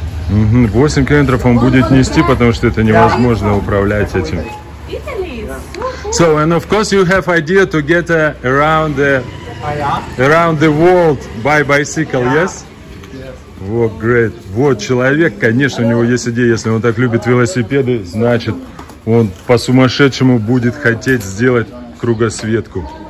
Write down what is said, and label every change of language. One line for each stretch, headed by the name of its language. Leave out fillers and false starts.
English: 8 kilometers
Russian: он будет нести, потому что это невозможно управлять этим.
English: So, and of course you have idea to get around the world by bicycle, yes? Вот, yes. Great.
Russian: Вот человек, конечно, у него есть идея, если он так любит велосипеды, значит, он по-сумасшедшему будет хотеть сделать кругосветку.